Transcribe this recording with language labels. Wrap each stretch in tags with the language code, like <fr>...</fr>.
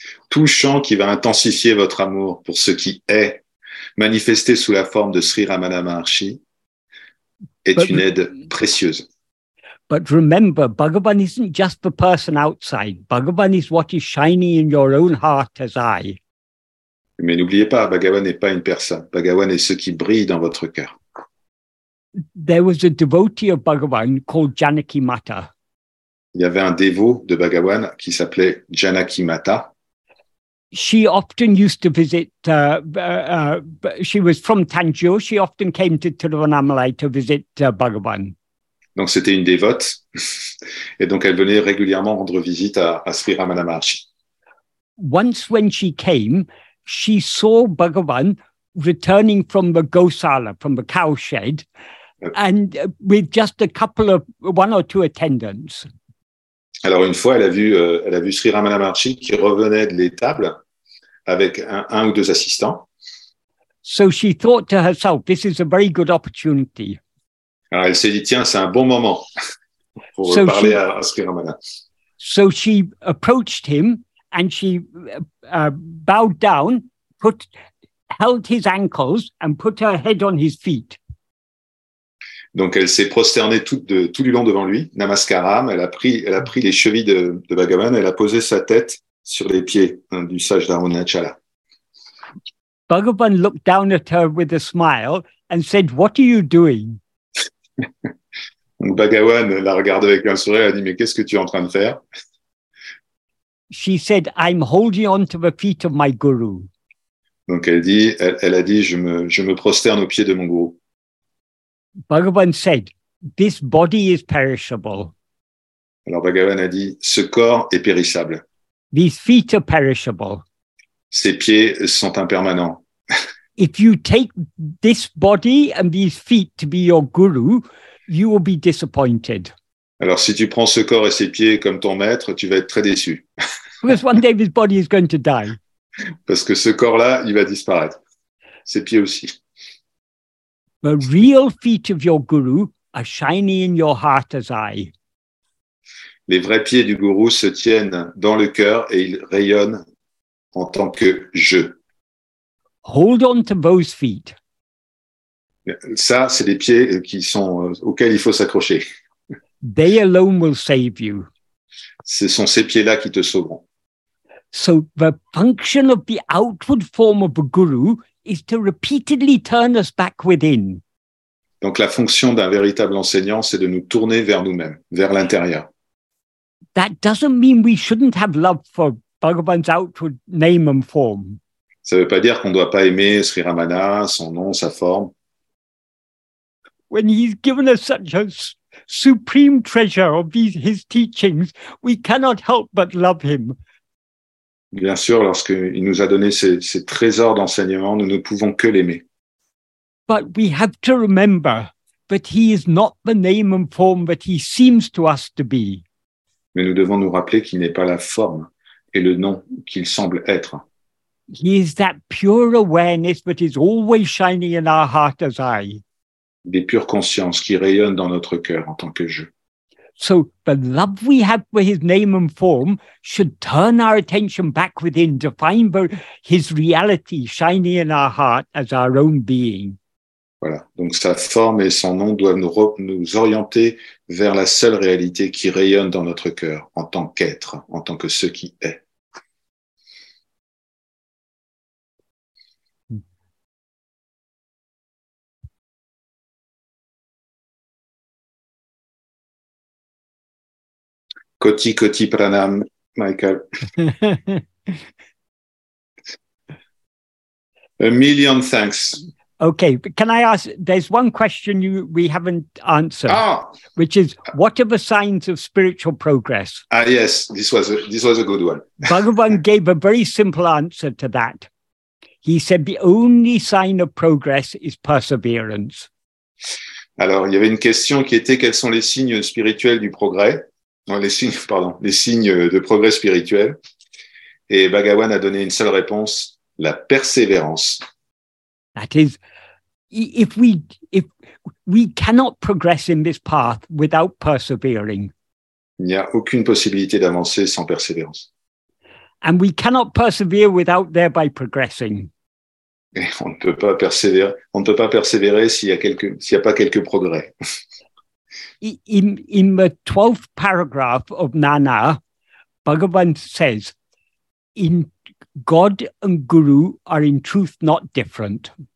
<fr>Tout chant qui va intensifier votre amour pour ce qui est manifesté sous la forme de Sri Ramana Maharshi est une aide précieuse.</fr> <en>But remember, Bhagavan isn't just the person outside. Bhagavan is what is shining in your own heart as I.</en> <fr>Mais n'oubliez pas, Bhagavan n'est pas une personne. Bhagavan est ce qui brille dans votre cœur.</fr> <en>There was a devotee of Bhagavan called Janaki Mata.</en> <fr>Il y avait un dévot de Bhagavan qui s'appelait Janaki Mata.</fr> <en>She often used to visit, she was from Tanjore, she often came to Tiruvannamalai to visit Bhagavan.</en> <fr>Donc c'était une dévote, et donc elle venait régulièrement rendre visite à Sri Ramana Maharshi.</fr> <en>Once when she came, she saw Bhagavan returning from the gosala, from the cowshed, and with just a couple of, one or two attendants.</en> <fr>Alors une fois, elle a vu Sri Ramana Maharshi qui revenait de l'étable avec un ou deux assistants.</fr> <en>So she thought to herself, this is a very good opportunity.</en> <fr>Alors elle s'est dit, tiens, c'est un bon moment pour parler à Sri Ramana.</fr> <en>So she approached him and she bowed down, held his ankles and put her head on his feet.</en> <fr>Donc elle s'est prosternée tout du long devant lui, namaskaram, elle a pris les chevilles de Bhagavan, elle a posé sa tête sur les pieds du sage d'Arunachala.</fr> <en>Bhagavan looked down at her with a smile and said, "What are you doing?"</en> <fr>Bhagavan la regardait avec un sourire et dit, "Mais qu'est-ce que tu es en train de faire?"</fr> <en>She said, "I'm holding on to the feet of my guru."</en> <fr>Donc elle a dit, je me prosterne aux pieds de mon gourou.</fr> <en>Bhagavan said, "This body is perishable."</en> <fr>Alors Bhagavan a dit, ce corps est périssable.</fr> <en>These feet are perishable.</en> <fr>Ses pieds sont impermanents.</fr> <en>If you take this body and these feet to be your guru, you will be disappointed.</en> <fr>Alors si tu prends ce corps et ses pieds comme ton maître, tu vas être très déçu.</fr> <en>Because one day this body is going to die.</en> <fr>Parce que ce corps-là, il va disparaître. Ses pieds aussi.</fr> <en>The real feet of your guru are shining in your heart as I.</en> <fr>Les vrais pieds du gourou se tiennent dans le cœur et ils rayonnent en tant que je.</fr> <en>Hold on to those feet.</en> <fr>Ça, c'est des pieds qui sont auxquels il faut s'accrocher.</fr> <en>They alone will save you.</en> <fr>Ce sont ces pieds-là qui te sauveront.</fr> <en>So the function of the outward form of a guru is to repeatedly turn us back within.</en> <fr>Donc la fonction d'un véritable enseignant, c'est de nous tourner vers nous-mêmes, vers l'intérieur.</fr> <en>That doesn't mean we shouldn't have love for Bhagavan's outward name and form.</en> <fr>Ça ne veut pas dire qu'on ne doit pas aimer Sri Ramana, son nom, sa forme.</fr> <en>When he's given us such a supreme treasure of his teachings, we cannot help but love him.</en> <fr>Bien sûr, lorsqu'il nous a donné ces trésors d'enseignement, nous ne pouvons que l'aimer.</fr> <en>But we have to remember that he is not the name and form that he seems to us to be.</en> <fr>Mais nous devons nous rappeler qu'il n'est pas la forme et le nom qu'il semble être.</fr> <en>He is that pure awareness that is always shining in our heart as I.</en> <fr>Des pures consciences qui rayonnent dans notre cœur en tant que je.</fr> <en>So the love we have for his name and form should turn our attention back within to find his reality shining in our heart as our own being.</en> <fr>Voilà, donc sa forme et son nom doivent nous orienter vers la seule réalité qui rayonne dans notre cœur en tant qu'être, en tant que ce qui est.</fr> <hi>Koti koti pranam,</hi> <en>Michael. A million thanks. Okay, can I ask, there's one question we haven't answered, which is, what are the signs of spiritual progress? Yes, this was a good one. Bhagavan gave a very simple answer to that. He said, the only sign of progress is perseverance.</en> <fr>Alors, il y avait une question qui était, quels sont les signes spirituels du progrès? Les signes de progrès spirituel. Et Bhagavan a donné une seule réponse, la persévérance.</fr> <en>That is, if we cannot progress in this path without persevering.</en> <fr>Il n'y a aucune possibilité d'avancer sans persévérance.</fr> <en>And we cannot persevere without thereby progressing.</en> <fr>Et on ne peut pas persévérer s'il n'y a pas quelques progrès.</fr> <en>In the 12th paragraph of Nana, Bhagavan says, "In God and Guru are in truth not different."</en>